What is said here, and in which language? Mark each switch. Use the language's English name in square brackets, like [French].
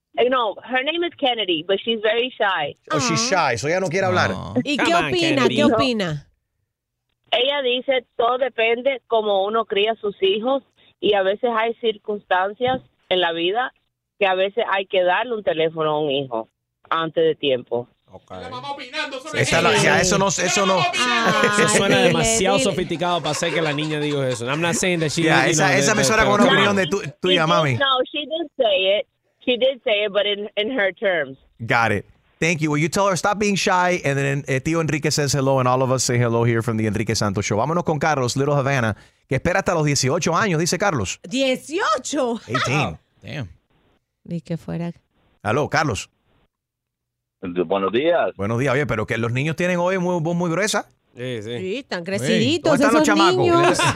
[English] No, her name is Kennedy, but she's very shy. Oh, she's shy, so [Spanish] ella no quiere hablar. ¿Y qué opina? No, ella dice, todo depende como uno cría a sus hijos, y a veces hay circunstancias en la vida que a veces hay que darle un teléfono a un hijo antes de tiempo. Okay. La mamá opinando sobre esa, eso no, eso no. Eso suena demasiado sofisticado para ser que la niña diga eso. [English] I'm not saying that she. [Spanish] Yeah, esa, [English] know, [Spanish] esa me suena como una opinión de tuya, mami. [English] No, she did say it. She did say it, but in her terms. Got it. Thank you. Well, you tell her stop being shy, and then Tío Enrique says hello, and all of us say hello here from the Enrique Santos Show. [Spanish] Vámonos con Carlos, Little Havana, que espera hasta los 18 años, dice Carlos. 18. 18. Oh, [English] damn. [Spanish] Ni que fuera. Aló, Carlos. Buenos días. Buenos días. Oye, pero que los niños tienen hoy voz muy gruesa. Sí, sí. Sí, están creciditos. Están esos los chamacos. Niños.